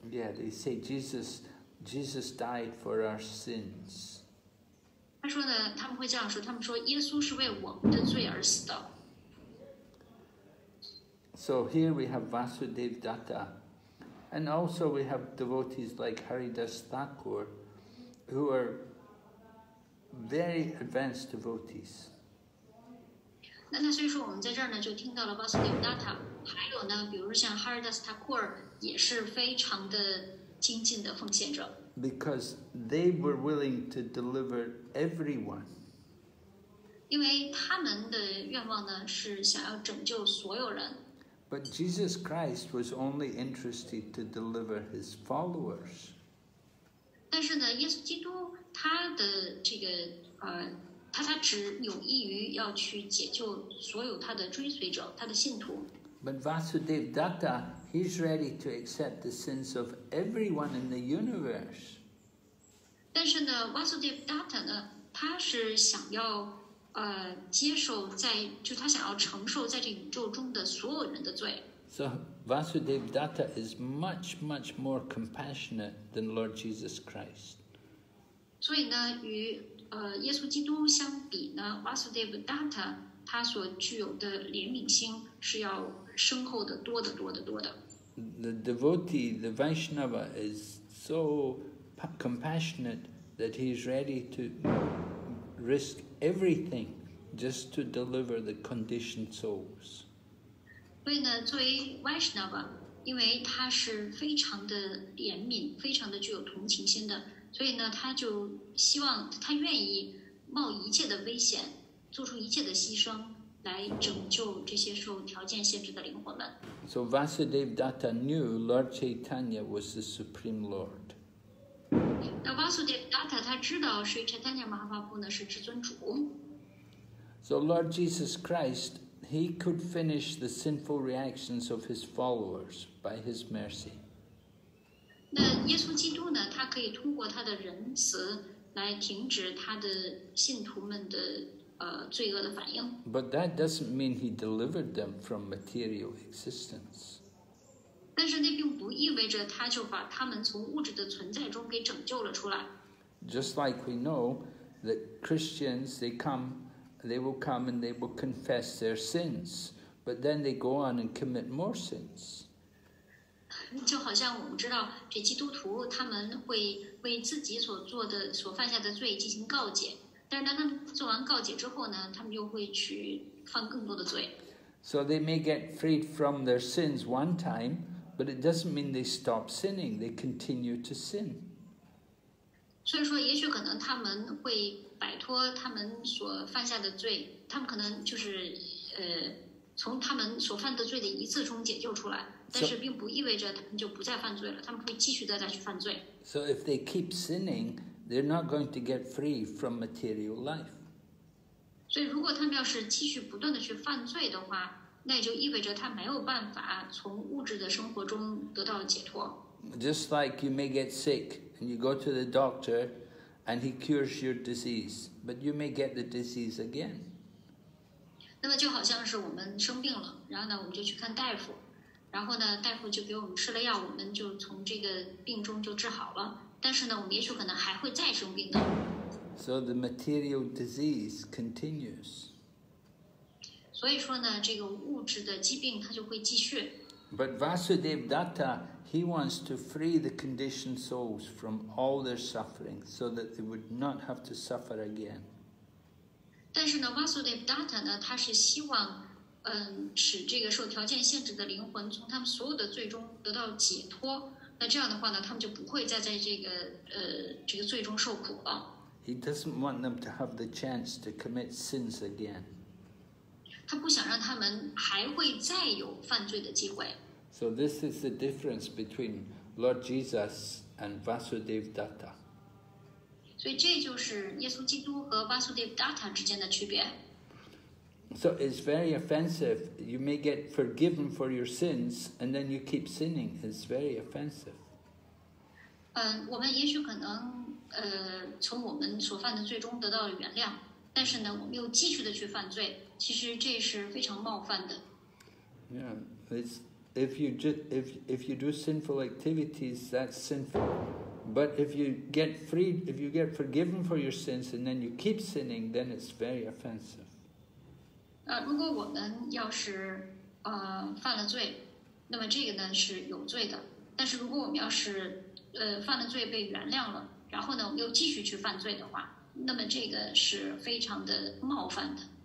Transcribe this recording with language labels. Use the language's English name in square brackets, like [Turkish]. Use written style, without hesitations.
[English] Yeah, they say Jesus died for our sins. [Chinese] 他说呢，他们会这样说，他们说耶稣是为我们的罪而死的。 [English] So here we have Vasudevdatta, and also we have devotees like Haridas Thakur. Who are very advanced devotees. [Chinese] 那所以说我们在这儿呢就听到了 Vasudevdatta, 还有呢比如像 Haridas Thakur 也是非常的精进的奉献者。 [English] Because they were willing to deliver everyone. [Chinese] 因为他们的愿望呢是想要拯救所有人。 [English] But Jesus Christ was only interested to deliver his followers. [Chinese] 但是呢，耶稣基督他的这个他只有意于要去解救所有他的追随者，他的信徒。 [English] But Vasudevdatta, he's ready to accept the sins of everyone in the universe. [Chinese] 但是呢 ，Vasudevdatta 呢，他是想要接受在就他想要承受在这宇宙中的所有人的罪。 [English] So Vasudevdatta is much, much more compassionate than Lord Jesus Christ. [Chinese] 所以呢，与耶稣基督相比呢 ，Vasudevdatta 他所具有的怜悯心是要深厚的多的多的多的。 [English] The devotee, the Vaishnava, is so compassionate that he is ready to risk everything just to deliver the conditioned souls. [Chinese] 所以呢，作为 Vaishnava， 因为他是非常的怜悯，非常的具有同情心的，所以呢，他就希望，他愿意冒一切的危险，做出一切的牺牲，来拯救这些受条件限制的灵魂们。 [English] So Vasudevdatta knew Lord Chaitanya was the Supreme Lord. [Chinese] 那 Vasudevdatta 他知道 Sri Chaitanya Mahaprabhu 呢是至尊主。 [English] So Lord Jesus Christ. He could finish the sinful reactions of his followers by his mercy. [Chinese] 那耶稣基督呢？他可以通过他的仁慈来停止他的信徒们的罪恶的反应。 [English] But that doesn't mean he delivered them from material existence. [Chinese] 但是那并不意味着他就把他们从物质的存在中给拯救了出来。 [English] Just like we know that Christians, they come. They will come and they will confess their sins, but then they go on and commit more sins. [Chinese] 就好像我们知道，这基督徒他们会为自己所做的、所犯下的罪进行告解，但是当他们做完告解之后呢，他们又会去犯更多的罪。 [English] So they may get freed from their sins one time, but it doesn't mean they stop sinning. They continue to sin. [Chinese] 所以说，也许可能他们会。摆脱他们所犯下的罪，他们可能就是从他们所犯的罪的一次中解救出来，但是并不意味着他们就不再犯罪了，他们会继续再去犯罪。 [English] So if they keep sinning, they're not going to get free from material life. [Chinese] 所以如果他们要是继续不断的去犯罪的话，那也就意味着他没有办法从物质的生活中得到解脱。 [English] Just like you may get sick and you go to the doctor and he cures your disease, but you may get the disease again. [Chinese] 那么就好像是我们生病了，然后呢，我们就去看大夫，然后呢，大夫就给我们吃了药，我们就从这个病中就治好了。但是呢，我们也许可能还会再生病的。 [English] So the material disease continues. [Chinese] 所以说呢，这个物质的疾病它就会继续。 [English] But Vasudev Datta, he wants to free the conditioned souls from all their suffering so that they would not have to suffer again. [Chinese] 但是呢 ，Vasudev Datta 呢，他是希望，使这个受条件限制的灵魂从他们所有的罪中得到解脱。那这样的话呢，他们就不会再在这个罪中受苦了。 [English] He doesn't want them to have the chance to commit sins again. [Chinese] 他不想让他们还会再有犯罪的机会。 [English] So this is the difference between Lord Jesus and Vasudev Datta. [Chinese] 所以这就是耶稣基督和 Vasudev Datta 之间的区别。 [English] So it's very offensive. You may get forgiven for your sins, and then you keep sinning. It's very offensive. [Chinese] 我们也许可能从我们所犯的罪中得到了原谅，但是呢，我们又继续的去犯罪。其实这是非常冒犯的。 [English] Yeah, it's if you do sinful activities, that's sinful. But if you get forgiven for your sins, and then you keep sinning, then it's very offensive. [Chinese] 如果我们要是犯了罪，那么这个呢是有罪的。但是如果我们要是犯了罪被原谅了。然后呢，我们又继续去犯罪的话，那么这个是非常的冒犯的。